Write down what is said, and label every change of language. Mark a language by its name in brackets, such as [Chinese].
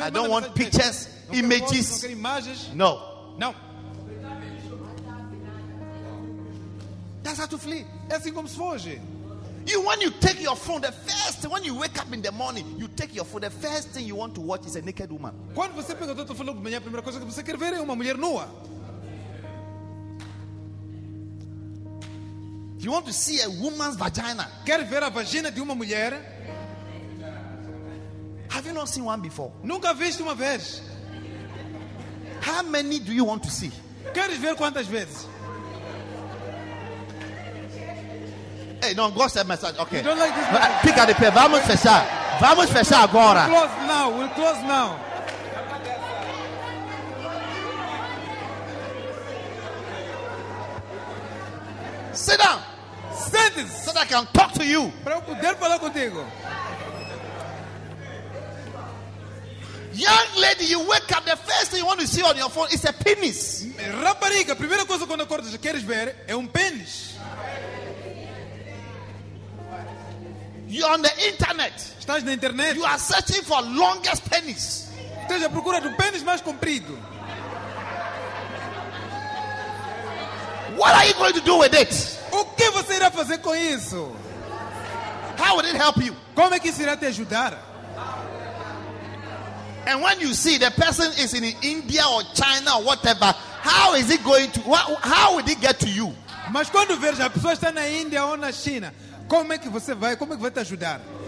[English] I don't want Pictures. Images. No. No. That's how to flee. [Portuguese] É assim como se foge. [English] You, when you take your phone, the first thing, when you wake up in the morning, you take your phone, the first thing you want to watch is a naked woman. [Portuguese] Quando você pega o telefone de manhã, a primeira coisa que você quer ver é uma mulher nua. [English] You want to see a woman's vagina. [Portuguese] Quer ver a vagina de uma mulher? [English] Have you not seen one before? [Portuguese] Nunca viste uma vez. [English] How many do you want to see? [Portuguese] Queres ver quantas vezes? [English] Hey, no, go send message. Okay. You don't like this message. Pick up the pair. Vamos fechar. Vamos fechar agora. We'll close now. We'll close now. Sit down. Sit down. So that I can talk to you. [Portuguese] Para eu poder falar contigo. [English] Young lady, you wake up, the first thing you want to see on your phone is a penis. [Portuguese] Rapariga, a primeira coisa quando acordas queres ver é pênis. [English] You're on the internet. [Portuguese] Estás na internet. [English] You are searching for longest penis. [Portuguese] Estás à procura do pênis mais comprido. [English] What are you going to do with it? [Portuguese] O que você irá fazer com isso? [English] How will it help you? [Portuguese] Como é que isso irá te ajudar? [English] And when you see the person is in India or China or whatever, how is it going to, how would it get to you? [Portuguese] Mas quando ver a pessoa está na Índia ou na China, como é que vai te ajudar?